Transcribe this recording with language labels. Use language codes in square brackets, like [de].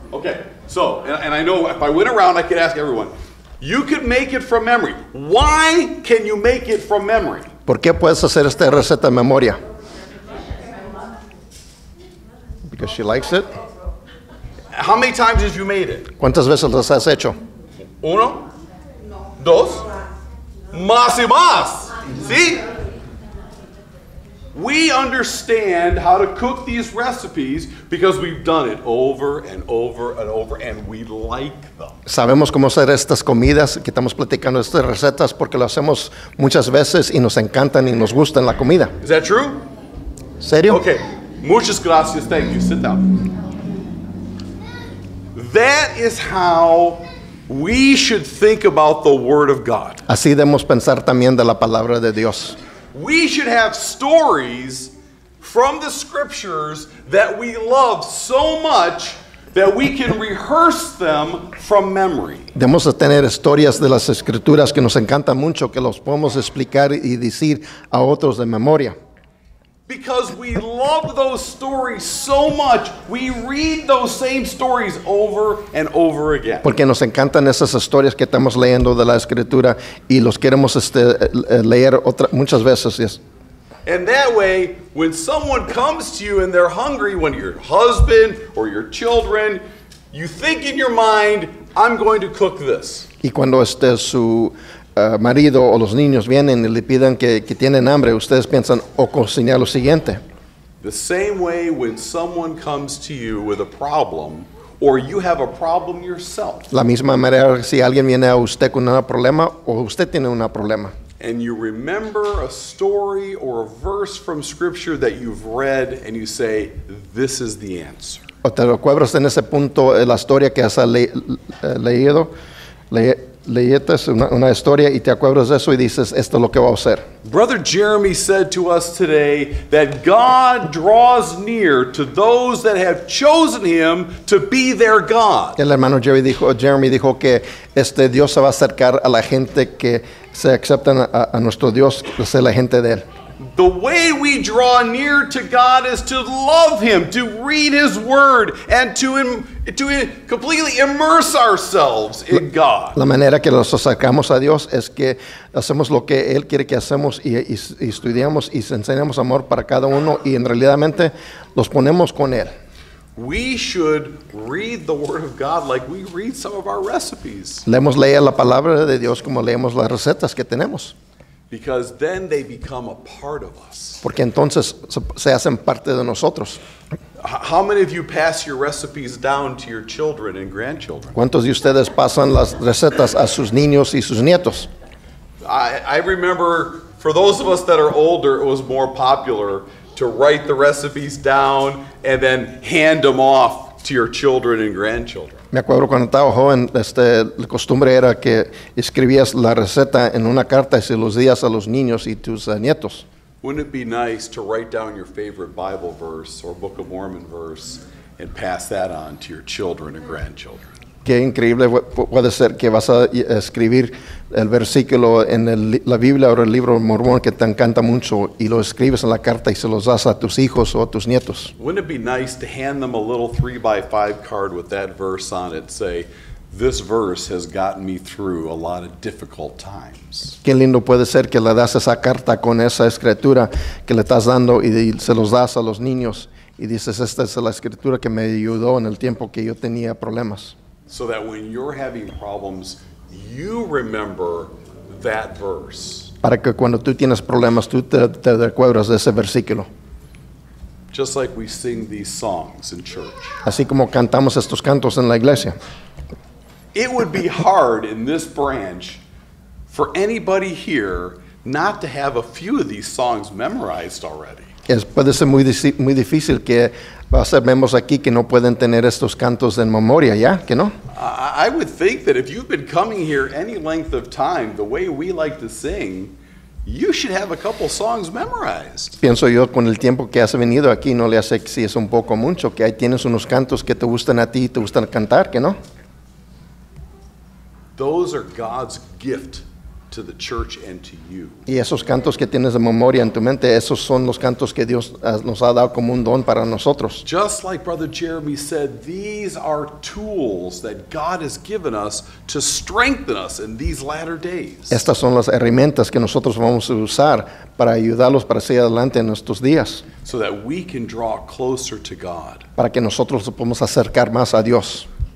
[en] Okay, so, and I know if I went around, I could ask everyone. You could make it from memory. Why can you make it from memory? [es] ¿Por qué puedes hacer esta receta de memoria? [en] Because she likes it. How many times have you made it? [es] ¿Cuántas veces las has hecho? Uno. Dos. Más y más. ¿Sí? [en] We understand how to cook these recipes because we've done it over and over and over, and we like them. [es] Sabemos cómo hacer estas comidas que estamos platicando estas recetas porque las hacemos muchas veces y nos encantan y nos gustan la comida. [en] Is that true? [es] ¿Serio? [en] Okay. [es] Muchas gracias. [en] Thank you. Sit down. That is how we should think about the Word of God. [es] Así debemos pensar también de la palabra de Dios. [en] We should have stories from the scriptures that we love so much that we can rehearse them from memory. [es] Debemos tener historias de las escrituras que nos encantan mucho que los podemos explicar y decir a otros de memoria. [en] Because we love those stories so much, we read those same stories over and over again. [es] Porque nos encantan esas historias que estamos leyendo de la escritura y los queremos leer otra muchas veces. [en] Yes. And that way, when someone comes to you and they're hungry, when your husband or your children, you think in your mind, I'm going to cook this. [es] Y cuando su marido o los niños vienen y le piden que tienen hambre, ustedes piensan o cocinar lo siguiente. [en] The same way when someone comes to you with a problem or you have a problem yourself. [es] La misma manera si alguien viene a usted con un problema o usted tiene un problema. [en] And you remember a story or a verse from scripture that you've read and you say, this is the answer. [es] O te recuerdas en ese punto la historia que has leído, leyete una historia y te acuerdas de eso y dices, esto es lo que voy a hacer. [en] Brother Jeremy said to us today that God draws near to those that have chosen him to be their God. [es] El hermano Jeremy dijo que Dios se va a acercar a la gente que se aceptan a nuestro Dios, que sea la gente de él. [en] The way we draw near to God is to love him, to read his word, and to completely immerse ourselves in God. [es] La manera que nos acercamos a Dios es que hacemos lo que él quiere que hacemos y estudiamos y enseñamos amor para cada uno y en realidadmente los ponemos con él. [en] We should read the word of God like we read some of our recipes. [es] Leemos leer la palabra de Dios como leemos las recetas que tenemos. [en] Because then they become a part of us. [es] Porque entonces se hacen parte de nosotros. [en] How many of you pass your recipes down to your children and grandchildren? [es] ¿Cuántos de ustedes pasan las recetas a sus niños y sus nietos? [en] I remember For those of us that are older, it was more popular to write the recipes down and then hand them off to your children and grandchildren. [es] Me acuerdo cuando estaba joven, la costumbre era que escribías la receta en una carta y se los días a los niños y tus nietos. [en] Wouldn't it be nice to write down your favorite Bible verse or Book of Mormon verse and pass that on to your children and grandchildren? [es] Qué increíble puede ser que vas a escribir el versículo en la Biblia o el libro mormón que te encanta mucho y lo escribes en la carta y se los das a tus hijos o a tus nietos. [en] Wouldn't it be nice to hand them a little 3x5 card with that verse on it, say, this verse has gotten me through a lot of difficult times. [es] Qué lindo puede ser que le das esa carta con esa escritura que le estás dando y se los das a los niños y dices, esta es la escritura que me ayudó en el tiempo que yo tenía problemas. [en] So that when you're having problems, you remember that verse. [es] Para que cuando tú tienes problemas, tú te recuerdas de ese versículo. [en] Just like we sing these songs in church. [es] Así como cantamos estos cantos en la iglesia. [en] It would be hard in this branch for anybody here not to have a few of these songs memorized already. [es] Es puede ser muy difícil que va a ser miembros aquí que no pueden tener estos cantos en memoria, ¿ya? ¿Que no? [en] I would think that if you've been coming here any length of time, the way we like to sing, you should have a couple songs memorized. [es] Pienso yo con el tiempo que has venido aquí, no le hace si es un poco mucho, que ahí tienes unos cantos que te gustan a ti y te gustan cantar, ¿que no? [en] Those are God's gift to the church and to you. [es] Y esos cantos que tienes de memoria en tu mente, esos son los cantos que Dios nos ha dado como un don para nosotros. [en] Just like Brother Jeremy said, these are tools that God has given us to strengthen us in these latter days. [es] Estas son las herramientas que nosotros vamos a usar para ayudarlos para seguir adelante en estos días. [en] So that we can draw closer to God. [es] Para que nosotros podamos acercar más a Dios.